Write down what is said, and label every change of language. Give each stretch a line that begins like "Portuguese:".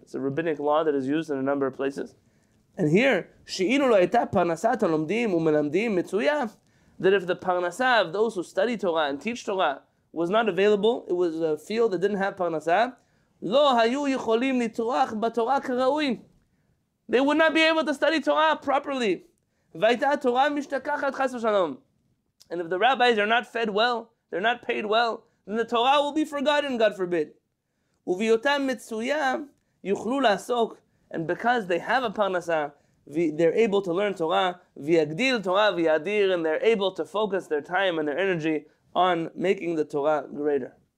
English: It's a rabbinic law that is used in a number of places. And here,
Hebrew: she'inu lo'ayta parnasat alomdim umelamdim mitzuya.
English: That if the parnasah of those who study Torah and teach Torah was not available, it was a field that didn't have parnasah,
Hebrew: לא היו יכולים לתרוח בתורה כראוי.
English: They would not be able to study Torah properly.
Hebrew: והייתה התורה משתכחת חס ושלום.
English: And if the rabbis are not fed well, they're not paid well, then the Torah will be forgotten, God forbid.
Hebrew: וביותם מצויה יוכלו לעסוק
English: And because they have a parnasa, they're able to learn Torah,
Hebrew: v'yagdil Torah v'yadir,
English: and they're able to focus their time and their energy on making the Torah greater.